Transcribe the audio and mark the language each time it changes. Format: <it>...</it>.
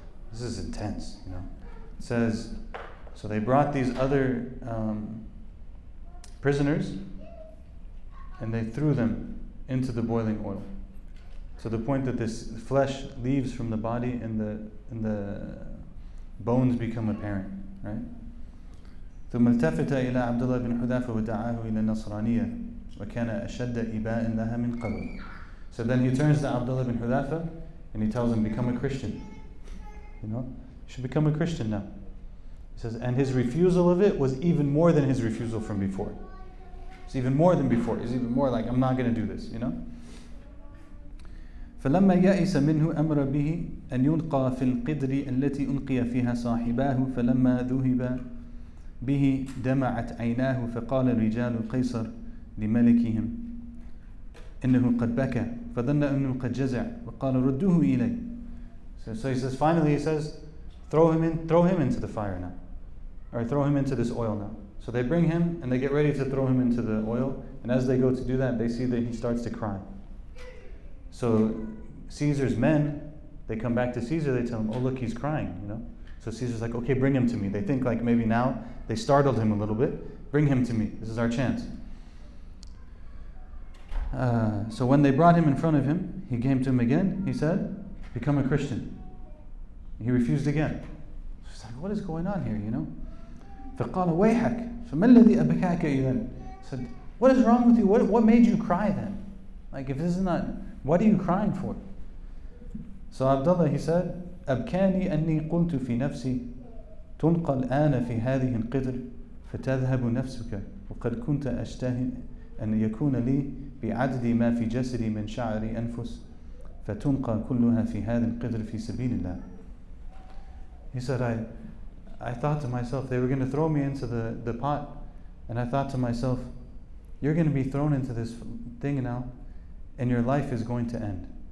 <en>This is intense, you know. It says, so they brought these other prisoners and they threw them into the boiling oil. To the point that this flesh leaves from the body and the bones become apparent, right?</en> <ar>ثم التفت إلى عبد الله بن حذافة ودعاه إلى النصرانية وكان أشد إباء لها من قبل.</ar> <en>So then he turns to Abdullah bin Hudhafa and he tells him, become a Christian. You know, you should become a Christian now. He says, and his refusal of it was even more than his refusal from before. It's even more than before. It's even more like, I'm not going to do this, you know?</en> <ar>فلما يأس منه أمر به أن يلقى في القدر التي أنقي فيها صاحباه فلما ذهب به دمعت عيناه فقال رجال قيصر لملكهم إنه قد بكى فظن أنه قد جزع وقال ردوه إلي.</ar> <en>So he says, finally he says, throw him into the fire now, or throw him into this oil now. So they bring him and they get ready to throw him into the oil, and as they go to do that, they see that he starts to cry. So Caesar's men, they come back to Caesar, they tell him, oh look, he's crying, you know. So Caesar's like, okay, bring him to me. They think like maybe now they startled him a little bit. Bring him to me. This is our chance. So when they brought him in front of him, he came to him again. He said, become a Christian. He refused again. He's like, what is going on here, you know?</en> <ar>فَقَالَ وَيْحَكَ فَمَا الَّذِي أَبَكَاكَ إِذَنْ.</ar> <en>Said, what is wrong with you? What made you cry then? Like, if this is not, what are you crying for? So Abdullah, he said,</en> <ar>أَبْكَانِي أَنِّي قُلْتُ فِي نَفْسِي تُنْقَى الْآنَ فِي هَذِهِ الْقِدْرِ فَتَذْهَبُ نَفْسُكَ وَقَدْ كُنْتَ أَشْتَهِي أَنْ يَكُونَ لِي بِعَدْدِ مَا فِي جَسْدِي مِنْ شَعْرِ أَنْفُسِ فَتُنْقَى كُلُّهَا فِي هَذِهِ الْقِدْرِ فِي سَبِيلِ اللَّهِ.</ar> <en>He said, I thought to myself, they were going to throw me into the pot, and I thought to myself, you're going to be thrown into this thing now, and your life is going to end.</en>